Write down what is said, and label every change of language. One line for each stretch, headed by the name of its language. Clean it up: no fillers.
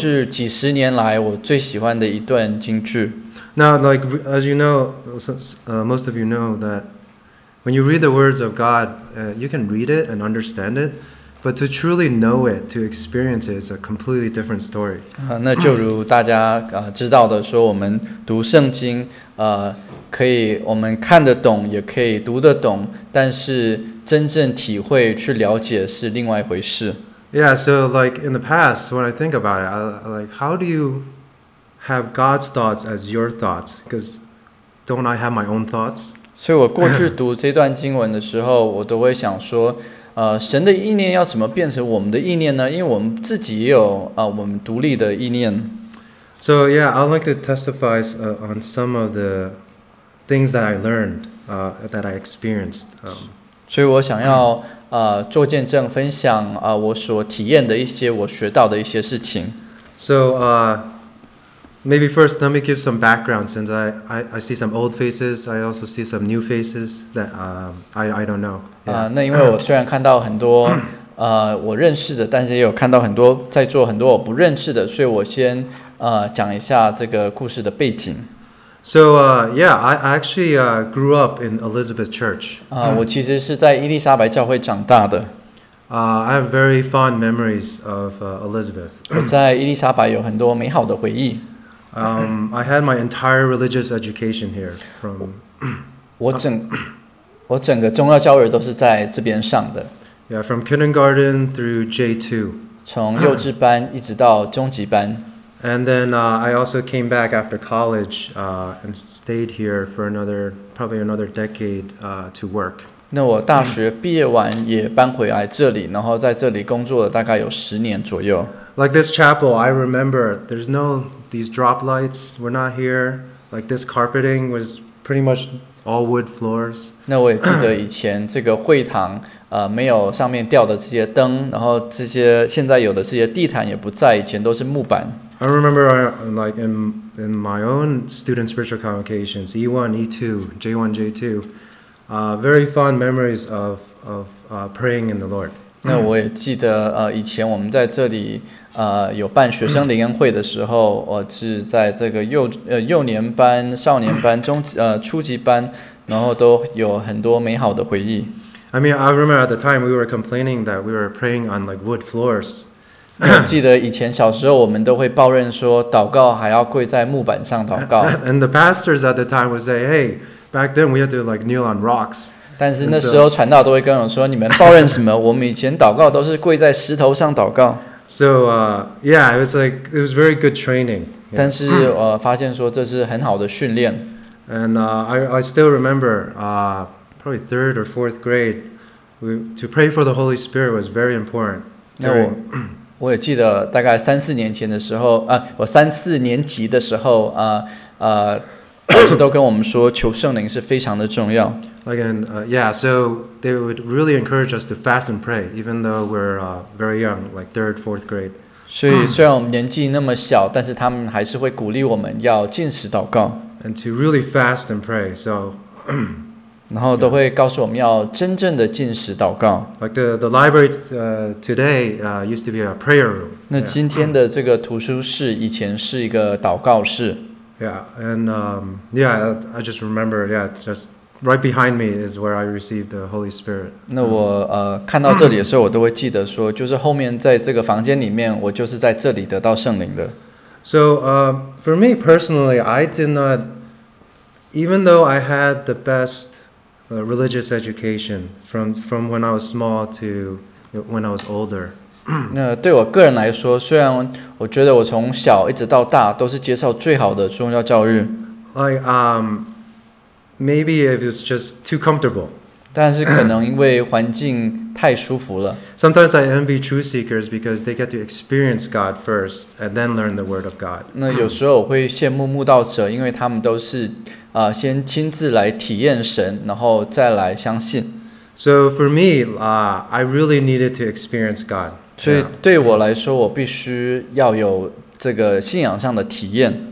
Chinese: 这是过去几十年来我最喜欢的一段经句。
English: Now, like, as you know, most of you know that when you read the words of God, you can read it and understand it. But to truly know it, to experience it, is a completely different story.
Chinese: 那就如大家知道的说，我们读圣经，可以我们看得懂，也可以读得懂，但是真正体会去了解是另外一回事。
English: Yeah, so like in the past, when I think about it, I how do you have God's thoughts as your thoughts? Because don't I have my own thoughts?
Chinese: 所以我过去读这段经文的时候，我都会想说。神的意念要怎么变成我们的意念呢？因为我们自己也有我们独立的意念。
English: So yeah, I'd like to testify on some of the things that I learned, that I experienced.
Chinese: 所以我想要做见证，分享我所体验的一些，我学到的一些事情。
English: So, maybe first let me give some background, since I see some old faces, I also see some new faces that I don't know.
Chinese: 那因为我虽然看到很多我认识的，但是也有看到很多在座很多我不认识的，所以我先讲一下这个故事的背景。
English: So, yeah, I actually grew up in Elizabeth Church.
Chinese: 我其实是在伊丽莎白教会长大的。
English: I have very fond memories of Elizabeth.
Chinese: 我在伊丽莎白有很多美好的回忆。
English: I had my entire religious education here.
Chinese: 我整个宗教教育都是在这边上的。
English: Yeah, from kindergarten through J2.
Chinese: 从幼稚班一直到中级班。
English: And then I also came back after college and stayed here for probably another decade to work.
Chinese: 那我大学毕业完也搬回来这里，然后在这里工作了大概有十年左右。
English: Like this chapel, I remember there's no these drop lights. We're not here. Like this carpeting was pretty much all wood floors.
Chinese: 那我也记得以前这个会堂没有上面吊的这些灯，然后这些现在有的这些地毯也不在，以前都是木板。
English: I remember, like in my own student spiritual convocations, E1, E2, J1, J2, very fond memories of praying in the Lord.
Chinese: 那我也记得，以前我们在这里，有办学生灵恩会的时候，我是在这个幼年班、少年班、初级班，然后都有很多美好的回忆。
English: I mean, I remember at the time we were complaining that we were praying on like wood floors.
Chinese: 记得以前小时候我们都会抱怨说祷告还要跪在木板上祷告。
English: And the pastors at the time would say, hey, back then we had to like kneel on rocks.
Chinese: 但是那时候传道都会跟我说你们抱怨什么，我们以前祷告都是跪在石头上祷告。
English: So, yeah, it was like, it was very good training.
Chinese: 但是我发现说这是很好的训练。
English: And I still remember, probably third or fourth grade, to pray for the Holy Spirit was very important.
Chinese: 那我也记得大概三四年前的时候，我三四年级的时候，老师都跟我们说求圣灵是非常的重要。
English: Again, yeah, so they would really encourage us to fast and pray, even though we're very young, like third, fourth grade.
Chinese: 所以虽然我们年纪那么小，但是他们还是会鼓励我们要禁食祷告。
English: And to really fast and pray, so.
Chinese: 然后都会告诉我们要真正的禁食祷告。
English: Like the library today used to be a prayer room.
Chinese: 那今天的这个图书室以前是一个祷告室。
English: Yeah, and I just remember, yeah, just right behind me is where I received the Holy Spirit.
Chinese: 那我看到这里的时候，我都会记得说，就是后面在这个房间里面，我就是在这里得到圣灵的。
English: So for me personally, I did not, even though I had the best. Religious education from when I was small to when I was older.
Chinese: 那对我个人来说，虽然我觉得我从小一直到大都是接受最好的宗教教育。
English: Like maybe if it's just too comfortable.
Chinese: 但是可能因为环境太舒服了。
English: Sometimes I envy truth seekers because they get to experience God first and then learn the Word of God.
Chinese: 那有时候我会羡慕慕道者，因为他们都是。先亲自来体验神，然后再来相信。
English: So for me, I really needed to experience God.
Chinese: 所以对我来说，我必须要有这个信仰上的体验。